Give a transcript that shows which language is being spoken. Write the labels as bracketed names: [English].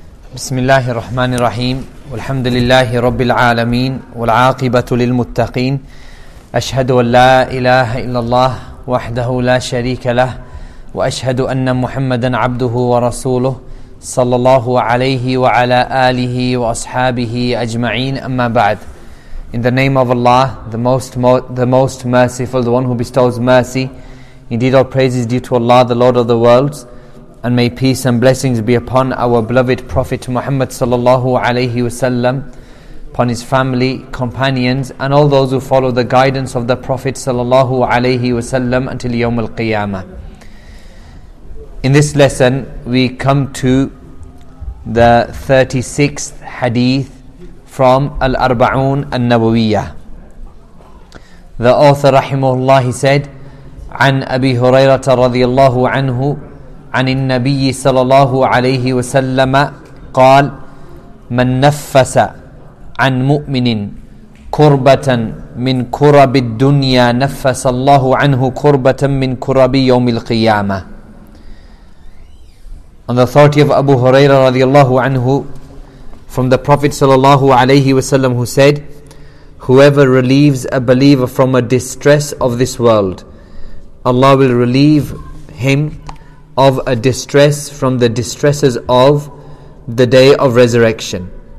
[Arabic] بسم الله الرحمن الرحيم والحمد لله رب العالمين والعاقبة للمتقين أشهد أن لا إله إلا الله وحده لا شريك له وأشهد أن محمدا عبده ورسوله صلى الله عليه وعلى آله وأصحابه أجمعين أما بعد. [English] In the name of Allah, the most merciful, the one who bestows mercy. Indeed, all praise is due to Allah, the Lord of the worlds. And may peace and blessings be upon our beloved Prophet Muhammad sallallahu alayhi wasallam, upon his family, companions, and all those who follow the guidance of the Prophet sallallahu alayhi wasallam until Yawm al-Qiyamah. In this lesson, we come to the 36th hadith from Al-Arba'un al-Nawawiyyah. [Arabic] The author, rahimahullah, he said, عن أبي هريرة رضي الله عنه عن النبي صلى الله عليه وسلم قال من نفس عن مؤمن كربة من كرب الدنيا نفس الله عنه كربة من كرب يوم القيامة. [English] On the authority of Abu Huraira رضي الله عنه, from the Prophet صلى الله عليه وسلم, who said, whoever relieves a believer from a distress of this world, Allah will relieve him of a distress from the distresses of the day of resurrection.